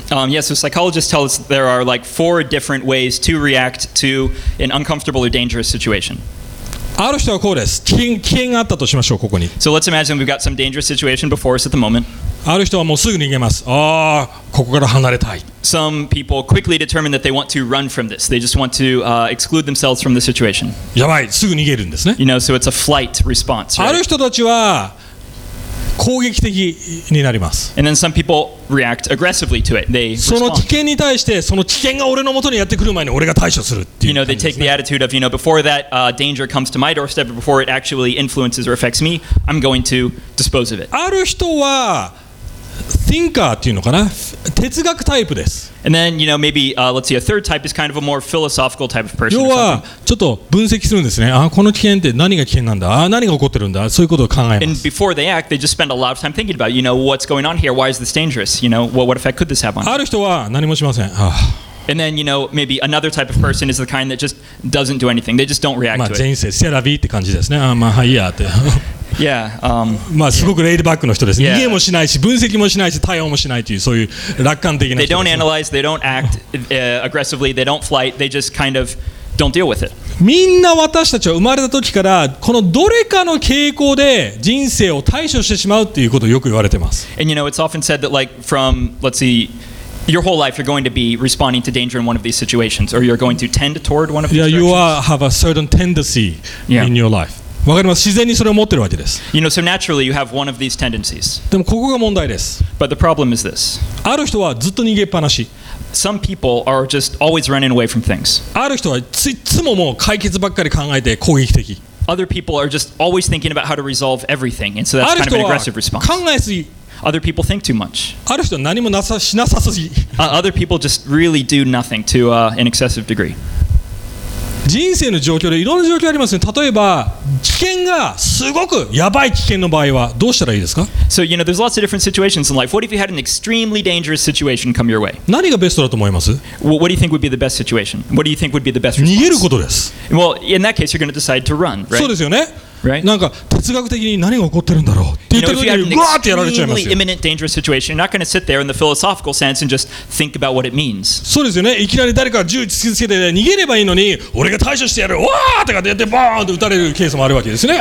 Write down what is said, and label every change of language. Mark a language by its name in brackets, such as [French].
[English] Yes, so psychologists tell us there are like four different ways to react to an uncomfortable or dangerous situation. [Japanese] ある人はこうです。危険があったとしましょう、ここに。 [English] So let's imagine we've got some dangerous situation before us at the moment. [Japanese] ある人はもうすぐ逃げます。ああ、ここから離れたい。 [English] Some people quickly determine that they want to run from this. They just want to exclude themselves from the situation. [Japanese] やばい、すぐ逃げるんですね。 [English] You know, so it's a flight response, right? [Japanese] ある人たちは、攻撃的になります。 [English] And then some people react aggressively to it. They respond. [Japanese] その危険に対して、その危険が俺の元にやってくる前に俺が対処するっていう感じ。 [English] You know, they take the attitude of, you know, before that danger comes to my doorstep, before it actually influences or affects me, I'm going to dispose of it. [Japanese] ある人は、thinker っていうのかな、哲学タイプです。 [English] And then, you know, maybe, let's see, a third type is kind of a more philosophical type of person. [Japanese] 要は、ちょっと分析するんですね。あ、この危険って何が危険なんだ？あ、何が起こってるんだ？そういうことを考えます。 [English] And before they act, they just spend a lot of time thinking about, you know, what's going on here? Why is this dangerous? You know, what effect could this have on? [Japanese] ある人は何もしません。あ。 [English] And then, you know, maybe another type of person is the kind that just doesn't do anything. They just don't react to it. [Japanese] まあ、人生、セラビーって感じですね。あ、まあ、いいやって。 [English] Yeah, [Japanese] まあすごくレイドバックの人ですね。 [English] Yeah. [Japanese] 逃げもしないし、分析もしないし、対応もしないというそういう楽観的な人です。 [English] They don't analyze, they don't act aggressively, they don't flight, they just kind of don't deal with it. [Japanese] みんな私たちは生まれた時からこのどれかの傾向で人生を対処してしまうっていうことをよく言われてます。 [English] And you know, it's often said that like from, let's see,Your whole life, you're going to be responding to danger in one of these situations, or you're going to tend toward one of these situations. Yeah, you have a certain tendency in your life. [Japanese] わかります。自然にそれを持ってるわけです。 [English] You know, so naturally, you have one of these tendencies. [Japanese] でもここが問題です。 [English] But the problem is this. [Japanese] ある人はずっと逃げっぱなし。 [English] Some people are just always running away from things. [Japanese] ある人はいつももう解決ばっかり考えて攻撃的。 [English] Other people are just always thinking about how to resolve everything, and so that's kind of an aggressive response. [Japanese] ある人は考えすぎ。 [English] Other people think too much. [Japanese] ある人は何もしなさすぎ。 [English] Other people just really do nothing to an excessive degree. [Japanese] 人生の状況でいろんな状況ありますね。例えば危険がすごくやばい危険の場合はどうしたらいいですか？ [English] So you know, there's lots of different situations in life. What if you had an extremely dangerous situation come your way? [Japanese] 何がベストだと思います？ [English] What do you think would be the best situation? What do you think would be the best response? [Japanese] 逃げることです。 [English] Well, in that case, you're going to decide to run, right? [Japanese] そうですよね。 [English] Right? [Japanese] なんか哲学的に何が起こってるんだろうって言ってる時に、 [English] you know, [Japanese] わーってやられちゃいますよ。 [English] Extremely imminent dangerous situation. You're not going to sit there in the philosophical sense and just think about what it means. [Japanese] そうですよね。いきなり誰か銃突きつけて逃げればいいのに、俺が対処してやる、わーとかでやってバーンと撃たれるケースもあるわけですね。